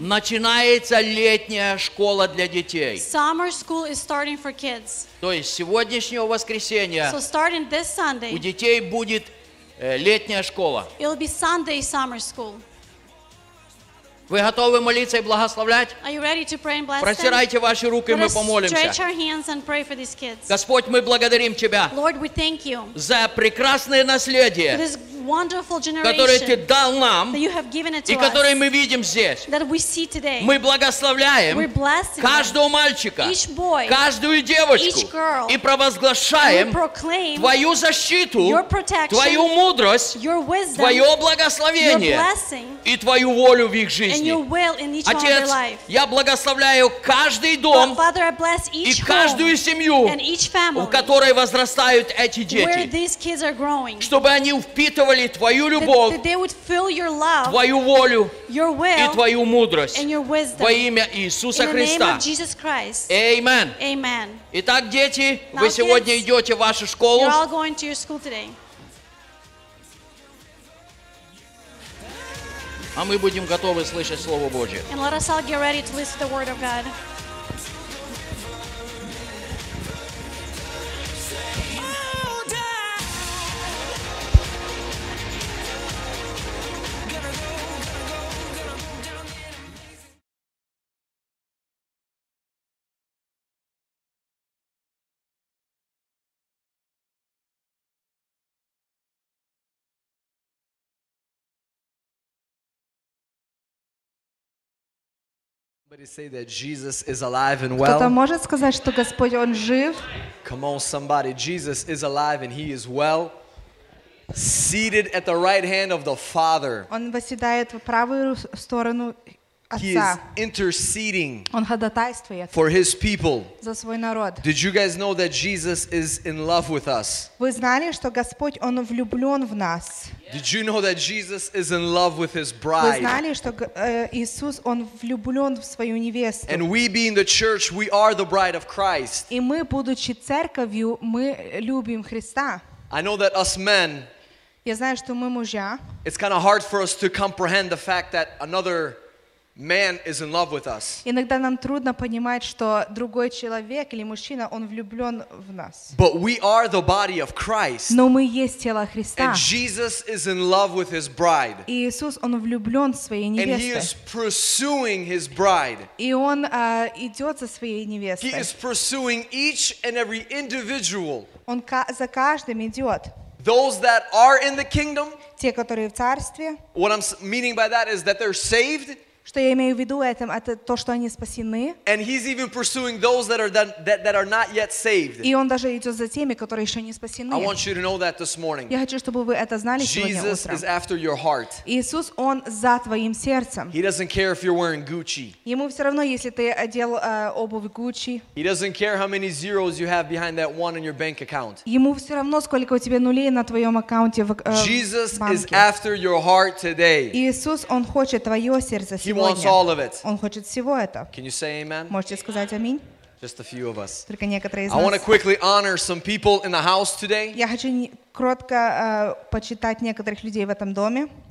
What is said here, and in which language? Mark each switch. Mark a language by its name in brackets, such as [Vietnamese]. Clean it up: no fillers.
[Russian] начинается летняя школа для детей. [English] Summer school is starting for kids. [Russian] То есть с сегодняшнего воскресенья, [English] so starting this Sunday, [Russian] у детей будет летняя школа. [English] It'll be Sunday summer school. [Russian] Вы готовы молиться и благословлять? [English] Are you ready to pray and bless [Russian] Простирайте [English] them? [Russian] Ваши руки, [English] Let [Russian] мы помолимся. [English] Stretch our hands and pray for these kids. [Russian] Господь, мы благодарим Тебя [English] Lord, we thank you [Russian] за прекрасное наследие, [English] for this wonderful generation [Russian] которое Ты дал нам [English] that you have given it to [Russian] и которое [English] us, [Russian] мы видим здесь. [English] That we see today. [Russian] Мы благословляем [English] We're blessing [Russian] каждого мальчика, [English] each boy, [Russian] каждую девочку [English] each girl, [Russian] и провозглашаем [English] we proclaim [Russian] Твою защиту, [English] your protection, [Russian] Твою мудрость, [English] your wisdom, [Russian] Твое благословение [English] your blessing, [Russian] и Твою волю в их жизни. [English] And your will in each [Russian] Отец, [English] of their life. [Russian] Я благословляю каждый дом [English] Father, I bless each [Russian] и каждую семью, [English] and each family, [Russian] в которой возрастают эти дети, [English] where these kids are growing, [Russian] чтобы они впитывали Твою любовь, [English] that they would fill your love, [Russian] Твою волю [English] your will, [Russian] и Твою мудрость [English] and your wisdom, [Russian] во имя Иисуса Христа. [English] Amen. [Russian] Итак, дети, [English] Now, [Russian] вы сегодня [English] kids, [Russian] идете в вашу школу. [English] You're all going to your school today. [Russian] А мы будем готовы слышать Слово Божие. [English] And let us all get ready to listen to the Word of God. Say that Jesus is alive and well. [Russian] Кто-то может сказать, что Господь он жив? [English] Come on, somebody. Jesus is alive and he is well. Seated at the right hand of the Father. [Russian] Он восседает в правую сторону Отца. [English] He is interceding. [Russian] Он ходатайствует. [English] For his people. [Russian] За свой народ. [English] Did you guys know that Jesus is in love with us? [Russian] Вы знали, что Господь он влюблён в нас? [English] Did you know that Jesus is in love with his bride? [Russian] Вы знали, что Иисус он влюблён в свою невесту? [English] And we being the church, we are the bride of Christ. [Russian] И мы будучи церковью, мы любим Христа. [English] I know that us men [Ukrainian] Я знаю, що ми мужа. [English] It's kind of hard for us to comprehend the fact that another man is in love with us. [Russian] Іноді нам трудно понимать, [Ukrainian] що [Russian] другой человек или мужчина, он влюблён в нас. [English] But we are the body of Christ. [Ukrainian] Но ми є тіло Христа. [English] And Jesus is in love with his bride. [Russian] І Ісус, он влюблён в свою невесту. [English] And he is pursuing his bride. [Ukrainian] І он йде за своєю невестою. [English] He is pursuing each and every individual. [Russian] Он за каждым идёт. [English] Those that are in the kingdom. [Russian] Те, которые в царстве. [English] What I'm meaning by that is that they're saved. [Russian] Что я имею в виду этим, это то, что они спасены. [English] And he's even pursuing those that are that are not yet saved. [Russian] И он даже идет за теми, которые еще не спасены. [English] I want you to know that this morning. [Russian] Я хочу, чтобы вы это знали сегодня утром. [English] Jesus is after your heart. [Russian] Иисус, он за твоим сердцем. [English] He doesn't care if you're wearing Gucci. [Russian] Ему все равно, если ты одел обувь Gucci. [English] He doesn't care how many zeros you have behind that one in your bank account. [Russian] Ему все равно, сколько у тебя нулей на твоем аккаунте в банке. [English] Jesus is after your heart today. [Russian] Иисус, он хочет твое сердце сегодня. [English] He wants all of it. [Russian] Он хочет всего это. [English] Can you say amen? [Russian] Можете сказать аминь? [English] Just a few of us. [Russian] Только некоторые из нас. [English] I want to quickly honor some people in the house today. [Russian] Я хочу кратко почитать некоторых людей в этом доме.